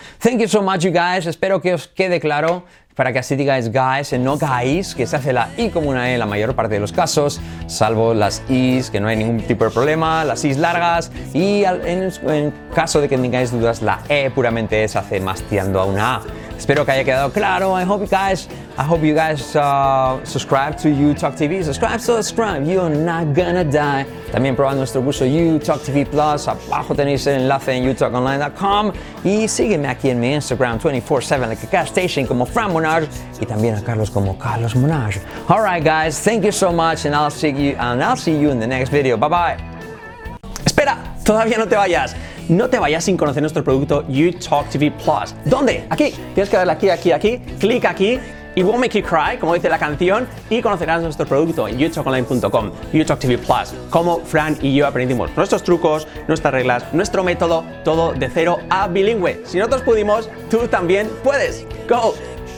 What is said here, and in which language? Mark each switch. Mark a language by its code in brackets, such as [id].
[en] Thank you so much, you guys. [es] Espero que os quede claro para que así digáis guys y no guys, que se hace la I como una E en la mayor parte de los casos, salvo las I's, que no hay ningún tipo de problema, las I's largas, y en caso de que tengáis dudas, la E puramente se hace más tirando a una A. Espero que haya quedado claro. [en] I hope you guys subscribe to YouTalk TV. Subscribe. You're not gonna die. [es] También probad nuestro curso [en] YouTalk TV Plus. [es] Abajo tenéis el enlace en youtalkonline.com. Y sígueme aquí en mi Instagram 24/7, [en] like a cat station, [es] como Fran Monage. Y también a Carlos como Carlos Monage. [en] All right, guys. Thank you so much. And I'll see you in the next video. [es] Bye-bye. Espera. Todavía no te vayas. No te vayas sin conocer nuestro producto YouTalk TV Plus. ¿Dónde? Aquí. Tienes que darle aquí, aquí, aquí. Clic aquí. [en] It won't make you cry, [es] como dice la canción. Y conocerás nuestro producto en youtalkonline.com. YouTalk TV Plus. Cómo Fran y yo aprendimos nuestros trucos, nuestras reglas, nuestro método. Todo de cero a bilingüe. Si nosotros pudimos, tú también puedes. ¡Go!